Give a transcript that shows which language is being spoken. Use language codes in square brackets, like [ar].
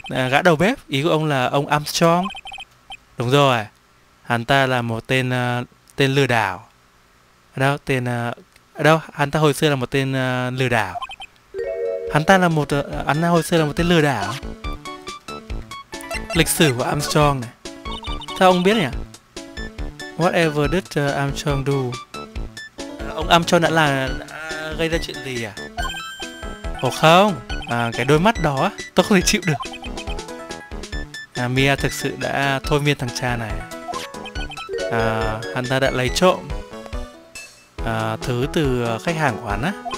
[vi] Gã đầu bếp, ý của ông là ông Armstrong. Đúng rồi. Hắn ta là một tên tên lừa đảo. Đâu, tên đâu, hắn ta hồi xưa là một tên lừa đảo. Hắn ta hồi xưa là một tên lừa đảo. Lịch sử của Armstrong này. Sao ông biết nhỉ? [en] Whatever did Armstrong do? [vi] Ông Armstrong đã là gây ra chuyện gì à? Ồ không, cái đôi mắt đó tôi không thể chịu được. Mia thực sự đã thôi miên thằng cha này. Hắn ta đã lấy trộm thứ từ khách hàng của hắn á.